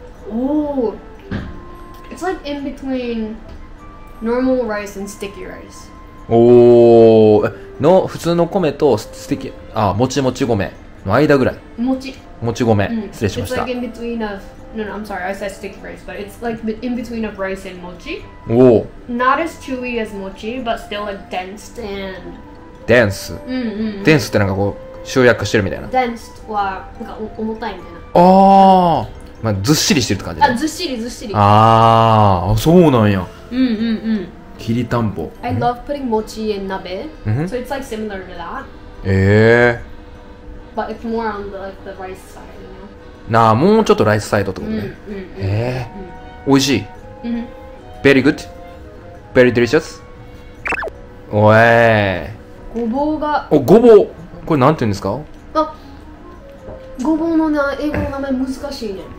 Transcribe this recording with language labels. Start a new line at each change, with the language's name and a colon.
English: Oh, it's like in between normal rice and sticky rice.
Japanese: Oh, の普通の米とスティキ、あ、もちもち米の間ぐらい。もち米、失礼しました。
English: It's like in between of, no, I'm sorry, I said sticky rice, but it's like in between of rice and mochi. Oh. Not as chewy as mochi, but still like dense and.
Japanese: Dense. Dense ってなんかこう。集約してるみたいな。 Dense はなんか重たいみたいな。ああ、まあずっしりしてるって感じ。あ、ずっしりずっしり。ああ、そうなんや。きりたんぽ。
English: I love putting mochi in nabe, so it's like similar to that.
Japanese: ええー。
English: But it's more on the, like, the rice side, you know.
Japanese: なあ、もうちょっとライスサイドってことね。ええー。おいしい。
English: Very good. Very delicious.
Japanese: おえー。ごぼうが。お、ごぼう。これなんて言うんですか？あ、ごぼうの、ね、英語の名前難しいね。